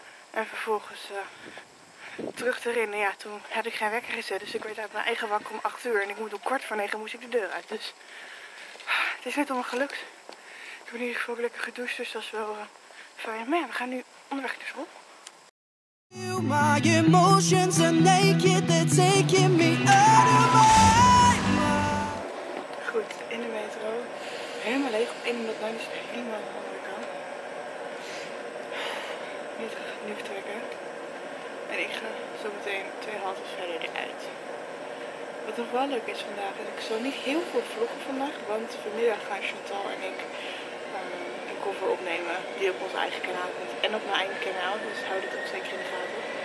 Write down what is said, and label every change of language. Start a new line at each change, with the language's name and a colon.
Dutch: En vervolgens terug erin. En ja, toen had ik geen wekker gezet. Dus ik werd uit mijn eigen wakker om 8:00. En ik moet om 9:15 moest ik de deur uit. Dus het is net allemaal gelukt. Ik ben in ieder geval lekker gedoucht, dus dat is wel fijn. Maar ja, we gaan nu onderweg naar school.
English: My emotions are naked, they're taking me out of my mind.
Dutch: Goed, in de metro. Helemaal leeg, op 1:09 is het helemaal aan de andere kant. Nu vertrekken. En ik ga zo meteen 2 haltes verder eruit. Wat nog wel leuk is vandaag, en ik zal niet heel veel vloggen vandaag, want vanmiddag gaan Chantal en ik cover opnemen die op ons eigen kanaal komt en op mijn eigen kanaal, dus hou dit ook zeker in de gaten.